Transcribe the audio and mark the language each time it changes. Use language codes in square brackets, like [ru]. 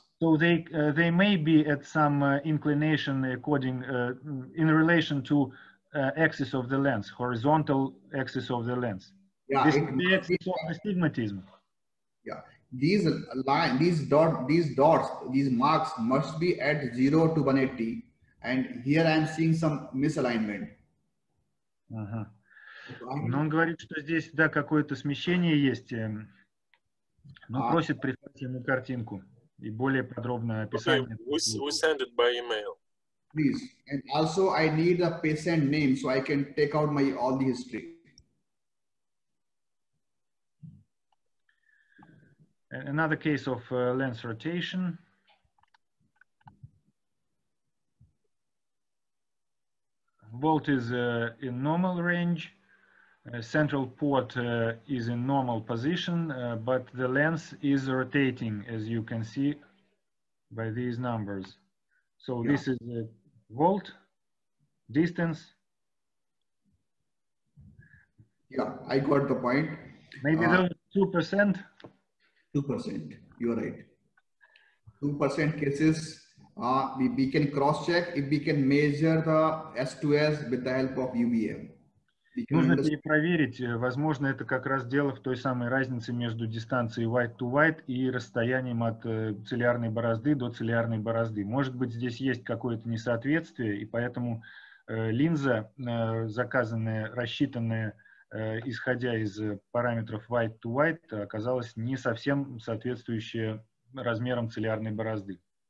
[en] So they may be at some inclination according in relation to axis of the lens, horizontal axis of the lens. Yeah, this is the axis of astigmatism. Yeah. These line, these marks must be at 0 to 180, and here I am seeing some misalignment. [ru] Но он говорит, что здесь да какое-то смещение есть. Но просит прислать ему картинку и более подробное описание. [en] Okay, we send it by email. Please, and also I need a patient name so I can take out my all the history. Another case of lens rotation. Volt is in normal range. Central port is in normal position, but the lens is rotating, as you can see by these numbers. So yeah. This is volt, distance. Yeah, I got the point. Maybe the 2%. 2%, you're right. 2% cases, we can cross-check if we can measure the S2S with the help of UVM. [ru] Нужно перепроверить. Возможно, это как раз дело в той самой разнице между дистанцией white-to-white и расстоянием от цилиарной борозды до цилиарной борозды. Может быть, здесь есть какое-то несоответствие, и поэтому линза, заказанная, рассчитанная, исходя из параметров white to white, оказалось не совсем соответствующее размерам цилиарной борозды.